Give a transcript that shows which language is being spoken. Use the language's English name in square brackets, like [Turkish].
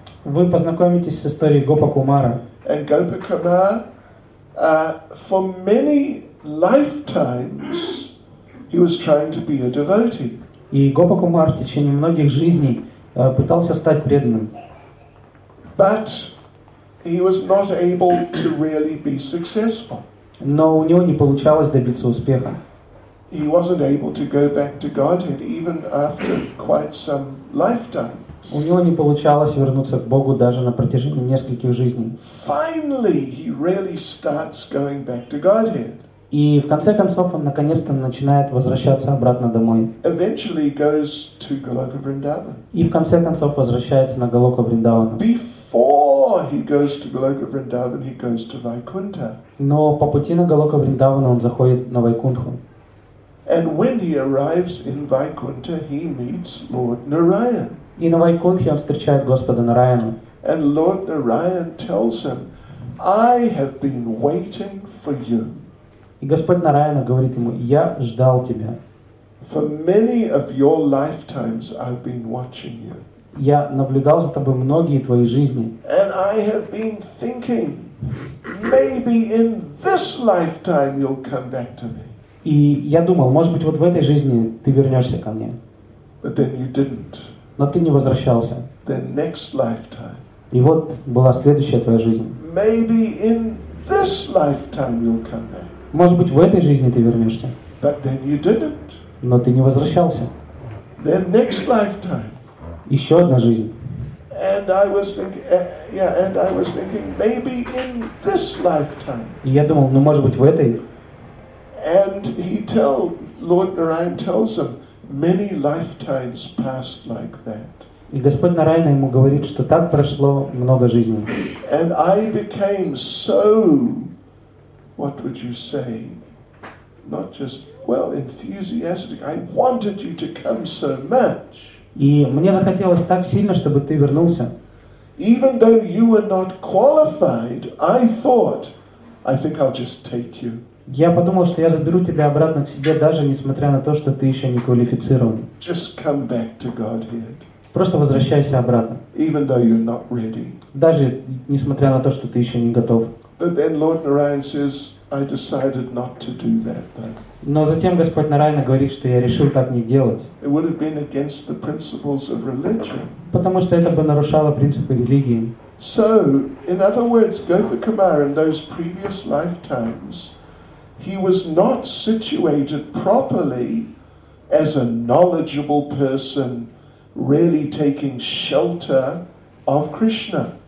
[Russian] Вы познакомитесь с историей Гопа Кумара. [English] And Gopa Kumar, for many lifetimes he was trying to be a devotee. [Russian] И Гопа Кумар в течение многих жизней пытался стать преданным. [English] But he was not able to really be successful. [Russian] Но у него не получалось добиться успеха. [English] He wasn't able to go back to Godhead even after quite some lifetimes. [Russian] У него не получалось вернуться к Богу даже на протяжении нескольких жизней. [English] Finally, he really starts going back to Godhead. [Russian] И в конце концов он наконец-то начинает возвращаться обратно домой. [English] Eventually goes to Goloka Vrindavan. [Russian] И в конце концов возвращается на Голоку Вриндаван. [English] Before he goes to Goloka Vrindavan, he goes to Vaikuntha. [Russian] Но по пути на Голоку Вриндаван он заходит на Вайкунтху. [English] And when he arrives in Vaikuntha, he meets Lord Narayan. [Russian] И на Вайкунтхе он встречает Господа Нараяна. [English] And Lord Narayan tells him, "I have been waiting for you." [Russian] И Господь Нараяна говорит ему: "Я ждал тебя." [English] For many of your lifetimes, I've been watching you. [Russian] Я наблюдал за тобой многие твои жизни. [English] And I have been thinking, maybe in this lifetime you'll come back to me. [Russian] И я думал, может быть, вот в этой жизни ты вернешься ко мне. [English] But then you didn't. [Russian] Но ты не возвращался. [English] Then next lifetime. [Russian] И вот была следующая твоя жизнь. [English] Maybe in this lifetime you'll come back. [Russian] Может быть, в этой жизни ты вернешься. [English] But then you didn't. [Russian] Но ты не возвращался. [English] Then next lifetime. [Russian] Еще одна жизнь. [English] And I was thinking, yeah, and I was thinking, maybe in this lifetime. [Russian] И я думал, ну, может быть, в этой. [English] And he tell, Lord Narayan tells him, many lifetimes passed like that. [Russian] И Господь Нараяна ему говорит, что так прошло много жизней. [English] And I became so, what would you say, not just, well, enthusiastic, I wanted you to come so much. [Russian] И мне захотелось так сильно, чтобы ты вернулся. [English] Even though you were not qualified, I thought, I think I'll just take you. [Russian] Я подумал, что я заберу тебя обратно к себе, даже несмотря на то, что ты еще не квалифицирован. [English] Just come back to Godhead. [Russian] Просто возвращайся обратно. [English] Even though you're not ready. [Russian] Даже несмотря на то, что ты еще не готов. [English] But then Lord Narayan says, I decided not to do that, though. [Russian] Но затем Господь Нараяна говорит, что я решил так не делать. [English] It would have been against the principles of religion. [Russian] Потому что это бы нарушало принципы религии. [English] So, in other words, Gopakumara in those previous lifetimes, he was not situated properly as a knowledgeable person, really taking shelter of Krishna.